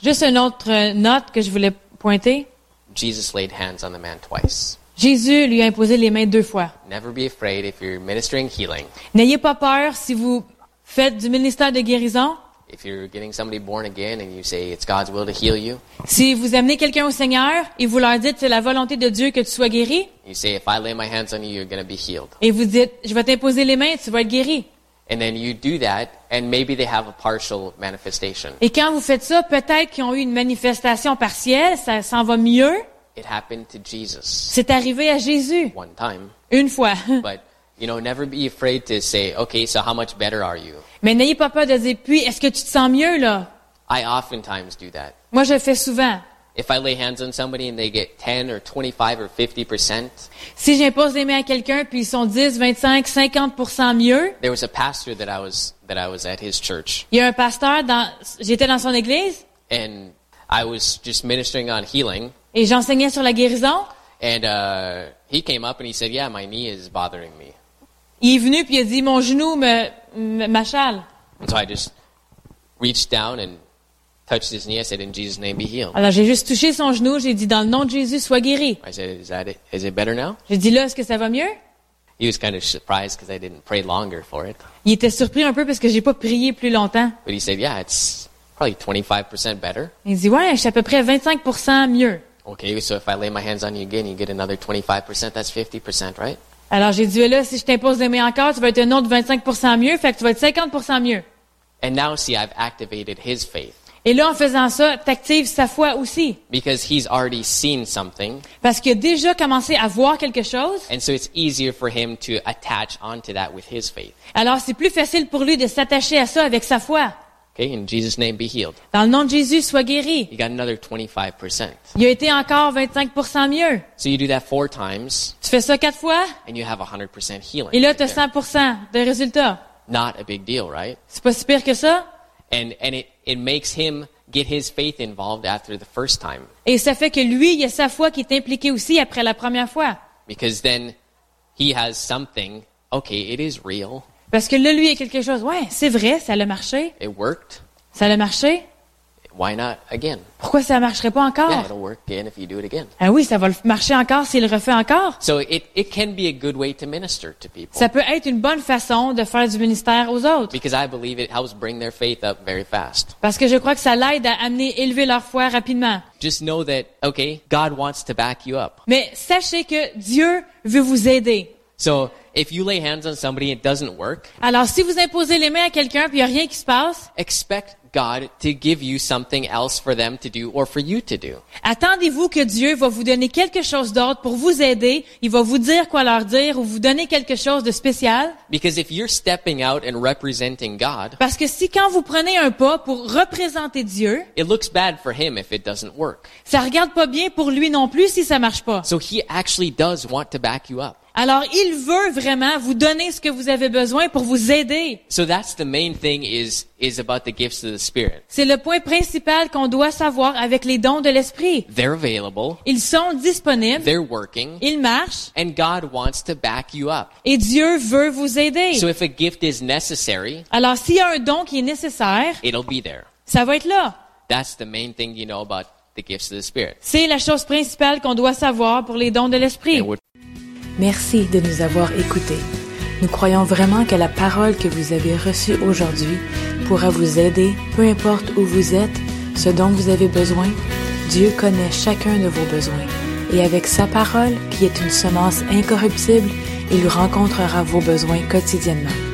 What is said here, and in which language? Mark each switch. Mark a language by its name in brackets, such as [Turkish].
[French] Juste une autre note que je voulais pointer. [English] Jesus laid hands on the man twice. [French] Jésus lui a imposé les mains deux fois. [English] Never be afraid if you're ministering healing. [French] N'ayez pas peur si vous faites du ministère de guérison. [English] If you're getting somebody born again and you say it's God's will to heal you. [French] Si vous amenez quelqu'un au Seigneur et vous leur dites c'est la volonté de Dieu que tu sois guéri. [English] You say if I lay my hands on you, you're going to be healed. [French] Et vous dites je vais t'imposer les mains, tu vas être guéri. [English] And then you do that and maybe they have a partial manifestation. [French] Et quand vous faites ça, peut-être qu'ils ont eu une manifestation partielle, ça s'en va mieux. [English] It happened to Jesus. [French] C'est arrivé à Jésus. [English] One time. [French] Une fois. [English] But you know, never be afraid to say, okay, so how much better are you? [French] Mais n'ayez pas peur de dire, puis est-ce que tu te sens mieux là? [English] I oftentimes do that. [French] Moi, je le fais souvent. [English] If I lay hands on somebody and they get 10 or 25 or 50%. [French] Si j'impose les mains à quelqu'un puis ils sont 10, 25, 50% mieux. [English] There was a pastor that I was at his church. [French] Il y a un pasteur j'étais dans son église. [English] And I was just ministering on healing. [French] Et j'enseignais sur la guérison. [English] And he came up and he said, "Yeah, my knee is bothering me." [French] Il est venu puis il a dit, mon genou m'achale. [English] So I just reached down and touched his knee. I said, "In Jesus' name, be healed." [French] Alors j'ai juste touché son genou. J'ai dit, dans le nom de Jésus, sois guéri. [English] I said, "Is that it? Is it better now?" [French] J'ai dit, là, est-ce que ça va mieux? [English] He was kind of surprised because I didn't pray longer for it. [French] Il était surpris un peu parce que j'ai pas prié plus longtemps. [English] But he said, "Yeah, it's probably 25% better." [French] Il dit, ouais, c'est à peu près 25% mieux. [English] Okay, so if I lay my hands on you again, you get another 25%. That's 50%, right? [French] Alors j'ai dit, là, si je t'impose les mains encore, tu vas être un autre 25% mieux, fait que tu vas être 50% mieux. [English] And now, see, I've activated his faith. [French] Et là, en faisant ça, t'actives sa foi aussi. [English] Because he's already seen something. [French] Parce qu'il a déjà commencé à voir quelque chose. [English] And so it's easier for him to attach onto that with his faith. [French] Alors c'est plus facile pour lui de s'attacher à ça avec sa foi. [English] Okay, in Jesus' name, be healed. [French] Dans le nom de Jésus, sois guéri. [English] He got another 25%. [French] Il a été encore 25% mieux. [English] So you do that four times. [French] Tu fais ça quatre fois. [English] And you have 100% healing. [French] Et là, t'as 100% de résultat. [English] Not a big deal, right? [French] C'est pas si pire que ça. [English] And it makes him get his faith involved after the first time. [French] Et ça fait que lui, il a sa foi qui est impliquée aussi après la première fois. [English] Because then he has something. Okay, it is real. [French] Parce que là, lui, il y a quelque chose. Ouais, c'est vrai, ça a marché. [English] It worked. [French] Ça a marché. [English] Why not again? [French] Pourquoi ça ne marcherait pas encore? [English] Yeah, it'll work again if you do it again. [French] Ah oui, ça va marcher encore s'il le refait encore. [English] So it can be a good way to minister to people. [French] Ça peut être une bonne façon de faire du ministère aux autres. [English] Because I believe it helps bring their faith up very fast. [French] Parce que je crois que ça l'aide à amener élever leur foi rapidement. [English] Just know that, okay, God wants to back you up. [French] Mais sachez que Dieu veut vous aider. [English] So if you lay hands on somebody and it doesn't work, [French] alors si vous imposez les mains à quelqu'un puis il y a rien qui se passe, [English] expect God to give you something else for them to do or for you to do. [French] Attendez-vous que Dieu va vous donner quelque chose d'autre pour vous aider, il va vous dire quoi leur dire ou vous donner quelque chose de spécial. [English] Because if you're stepping out and representing God, [French] parce que si quand vous prenez un pas pour représenter Dieu, [English] it looks bad for him if it doesn't work. [French] Ça regarde pas bien pour lui non plus si ça marche pas. [English] So he actually does want to back you up. [French] Alors, il veut vraiment vous donner ce que vous avez besoin pour vous aider. [English] So that's the main thing is about the gifts of the Spirit. [French] C'est le point principal qu'on doit savoir avec les dons de l'Esprit. [English] They're available. [French] Ils sont disponibles. [English] They're working. [French] Ils marchent. [English] And God wants to back you up. [French] Et Dieu veut vous aider. [English] So if a gift is necessary, [French] alors, s'il y a un don qui est nécessaire, [English] it'll be there. [French] Ça va être là. [English] That's the main thing you know about the gifts of the Spirit. [French] C'est la chose principale qu'on doit savoir pour les dons de l'Esprit. Merci de nous avoir écoutés. Nous croyons vraiment que la parole que vous avez reçue aujourd'hui pourra vous aider, peu importe où vous êtes, ce dont vous avez besoin. Dieu connaît chacun de vos besoins. Et avec sa parole, qui est une semence incorruptible, il rencontrera vos besoins quotidiennement.